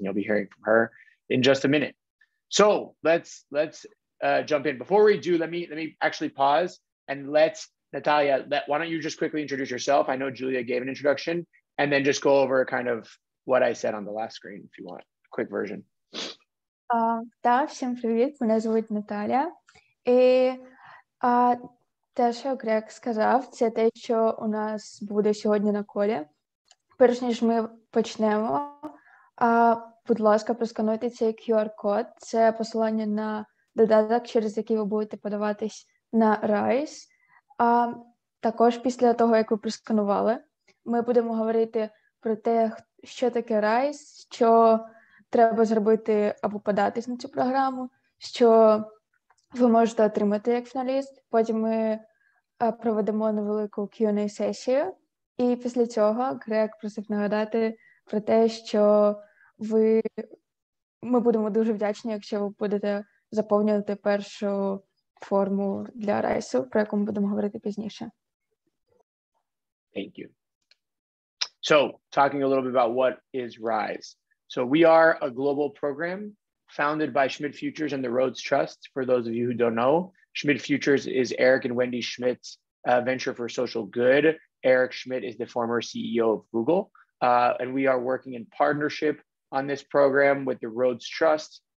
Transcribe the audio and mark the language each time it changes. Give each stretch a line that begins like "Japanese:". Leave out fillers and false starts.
English: And you'll be hearing from her in just a minute. So let's jump in. Before we do, let me actually pause and Nataliia, why don't you just quickly introduce yourself? I know Julia gave an introduction, and then just go over kind of what I said on the last screen, if you want, quick version.
Ukrainian: Так, всім привіт. Мене звуть Наталія. І те, що Грек сказав, це те, що у нас буде сьогодні на колі. Перш ніж ми почнемо, будь ласка, просканіть цей QR-код. Це посилання на додаток, через який ви будете подаватись на RISE. Також після того, як ви просканували, ми будемо говорити про те, що таке RISE, що треба зробити або податись на цю програму, що ви можете отримати як фіналіст. Потім ми проведемо невелику Q&A-сесію. І після цього Грек просив нагадати про те, що ми будемо дуже вдячні, якщо ви будете заповнювати першу форму для RISE, про яку ми будемо говорити пізніше.
English: Thank you. So, talking a little bit about what is RISE. So we are a global program founded by Schmidt Futures and the Rhodes Trust. For those of you who don't know, Schmidt Futures is Eric and Wendy Schmidt's venture for social good. Eric Schmidt is the former CEO of Google. And we are working in partnership on this program with the Rhodes Trust.